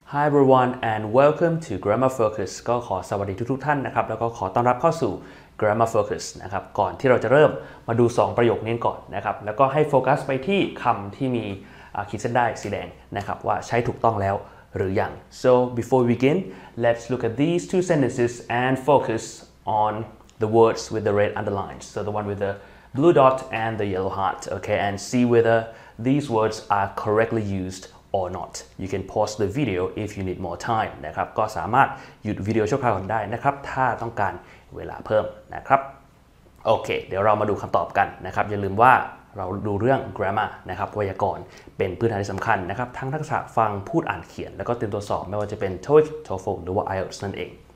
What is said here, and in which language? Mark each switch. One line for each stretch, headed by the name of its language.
English: Hi everyone and welcome to Grammar Focus
Thai: ก็ขอสวัสดีทุกๆท่านนะครับแล้วก็ขอต้อนรับเข้าสู่ Grammar Focus นะครับก่อนที่เราจะเริ่มมาดู2ประโยคนี้ก่อนนะครับแล้วก็ให้โฟกัสไปที่คำที่มีขีดเส้นได้สีแดงนะครับว่าใช้ถูกต้องแล้วหรือยัง
English: So before we begin let's look at these two sentences and focus on the words with the red underlines so the one with the blue dot and the yellow heart okay and see whether these words are correctly usedor not. You can pause the video if you need more time.
Thai: นะครับก็สามารถหยุดวิดีโอชั่วคราวก่อนได้นะครับถ้าต้องการเวลาเพิ่มนะครับโอเคเดี๋ยวเรามาดูคำตอบกันนะครับอย่าลืมว่า เราดูเรื่อง grammar นะครับไวยากรณ์เป็นพื้นฐานที่สำคัญนะครับทั้งทักษะฟังพูดอ่านเขียนแล้วก็เตรียมตัวสอบไม่ว่าจะเป็น TOEIC, TOEFL หรือว่า IELTS นั่นเอง